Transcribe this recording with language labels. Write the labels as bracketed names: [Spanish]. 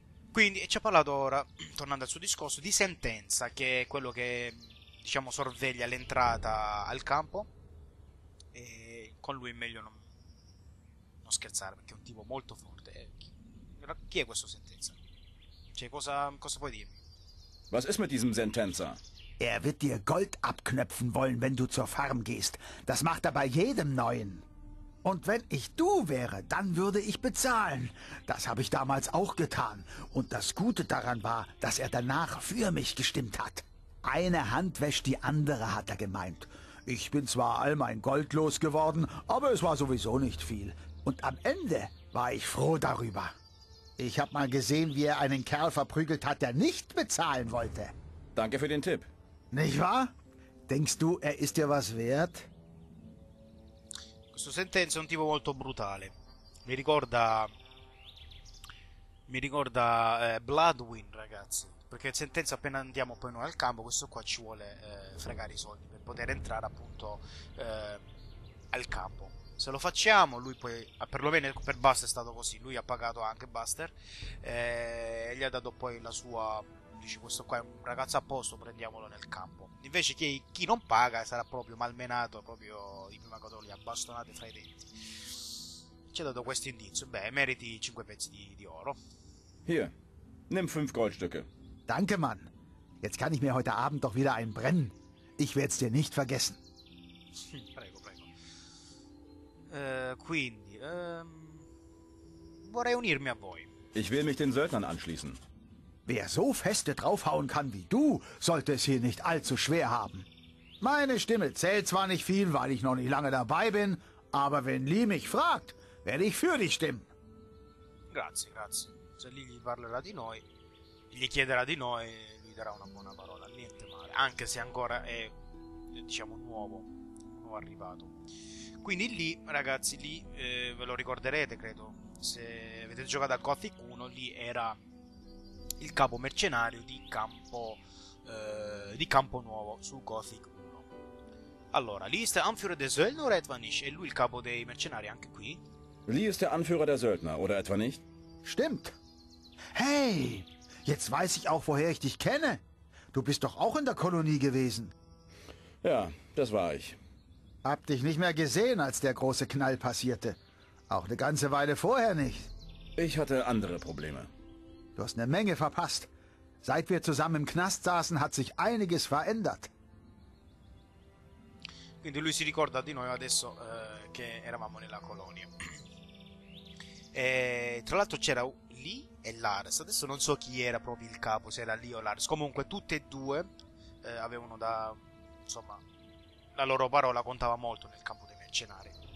[Italian] Quindi, e ci ha parlato ora, tornando al suo discorso, di Sentenza, che è quello che, diciamo, sorveglia l'entrata al campo. E con lui è meglio non scherzare, perché è un tipo molto forte. Chi è questo Sentenza? Cioè, cosa puoi dirmi? [German] Was ist mit diesem Sentenza? Er wird dir Gold abknöpfen wollen, wenn du zur Farm gehst. Das macht er bei jedem Neuen. Und wenn ich du wäre, dann würde ich bezahlen. Das habe ich damals auch getan. Und das Gute daran war, dass er danach für mich gestimmt hat. Eine Hand wäscht die andere, hat er gemeint. Ich bin zwar all mein Gold losgeworden, aber es war sowieso nicht viel. Und am Ende war ich froh darüber. Ich habe mal gesehen, wie er einen Kerl verprügelt hat, der nicht bezahlen wollte. Danke für den Tipp. Nicht wahr? Denkst du, er ist dir was wert? [Italian] Questo Sentenza è un tipo molto brutale. Mi ricorda Bloodwind, ragazzi. Perché Sentenza, appena andiamo poi noi al campo, questo qua ci vuole fregare i soldi per poter entrare appunto al campo. Se lo facciamo, lui poi, perlomeno per Buster è stato così, lui ha pagato anche Buster e gli ha dato poi la sua, dice, questo qua è un ragazzo a posto, prendiamolo nel campo. Invece chi non paga sarà proprio malmenato, proprio di prima cosa, lì, abbastonato fra i denti. ci ha dato questo indizio. Beh, meriti 5 pezzi di oro. [German] Hier, nimm 5 Goldstücke. Danke, Mann. Jetzt kann ich mir heute Abend doch wieder einbrennen. Ich werd's dir nicht vergessen. [Italian] Prego, prego. Quindi, vorrei unirmi a voi. [German] Ich will mich den Söldnern anschließen. Wer so feste draufhauen kann wie du, sollte es hier nicht allzu schwer haben. Meine Stimme zählt zwar nicht viel, weil ich noch nicht lange dabei bin, aber wenn Lee mich fragt, werde ich für dich stimmen. [Italian] Grazie, grazie. Se Lee gli parlerà di noi, gli chiederà di noi, gli darà una buona parola, niente male. Anche se ancora è, diciamo, nuovo, o arrivato. Quindi lì, ragazzi, lì, ve lo ricorderete, credo, se avete giocato a Gothic 1, lì era il capo mercenario di Campo Nuovo su Gothic 1. Allora, lì sta [German] Anführer der Söldner oder etwa nicht? [Italian] È lui il capo dei mercenari anche qui? [German] Lì ist der Anführer der Söldner, oder etwa nicht? Stimmt. Hey, jetzt weiß ich auch, woher ich dich kenne. Du bist doch auch in der Kolonie gewesen. Ja, das war ich. Hab dich nicht mehr gesehen, als der große Knall passierte. Auch eine ganze Weile vorher nicht. Ich hatte andere Probleme. Du hast eine Menge verpasst. Seit wir zusammen im Knast saßen, hat sich einiges verändert. [Italian] Quindi lui si ricorda di noi adesso che eravamo nella colonia. E tra l'altro c'era Lee e Lars. Adesso non so chi era proprio il capo, se era Lee o Lars. Comunque tutte e due avevano da, insomma, la loro parola contava molto nel campo dei mercenari.